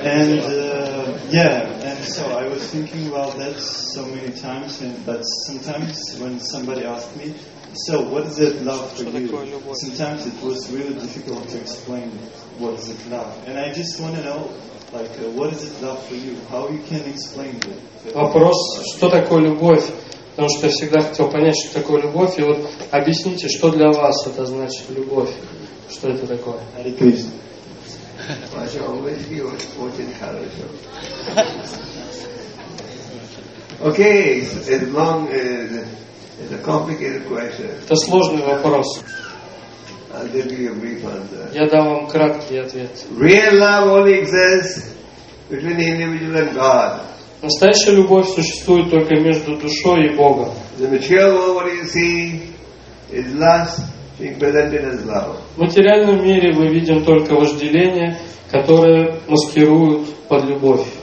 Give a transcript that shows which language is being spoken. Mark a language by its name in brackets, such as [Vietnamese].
[English] And yeah, and so I was thinking about that so many times, and but sometimes when somebody asked me. So, what is it love for you? Sometimes it was really difficult to explain what is it love. And I just want to know, like, what is it love for you? How you can explain it? [Russian] Вопрос, что такое любовь? Потому что я всегда хотел понять, что такое любовь. И вот объясните, что для вас это значит любовь? Что это такое? [English] Hare Krishna. Always be watching Hare Krishna. Okay, it's a complicated question. [Russian] Это сложный вопрос. [English] I'll give you a brief answer. [Russian] Я дам вам краткий ответ. [English] Real love only exists between the individual and God. [Russian] Настоящая любовь существует только между душой и Богом. [English] The material world, what you see, is lust being presented as love. [Russian] В материальном мире мы видим только вожделение, которое маскируют под любовь.